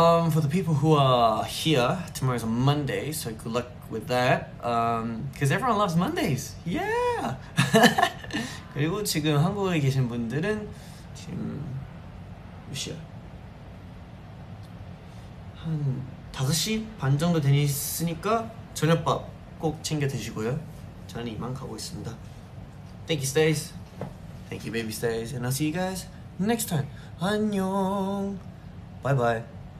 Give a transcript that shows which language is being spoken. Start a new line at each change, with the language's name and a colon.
English: For the people who are here, tomorrow's a Monday, so good luck with that. Because everyone loves Mondays. Yeah!
Korean: 그리고 지금 한국에 계신 분들은 지금 몇 시야? 한 5시 반 정도 되니까 저녁밥 꼭 챙겨 드시고요. 저는 이만 가고 있습니다.
English: Thank you, Stays. Thank you, baby Stays. And I'll see you guys next time.
Korean: 안녕.
English: Bye-bye.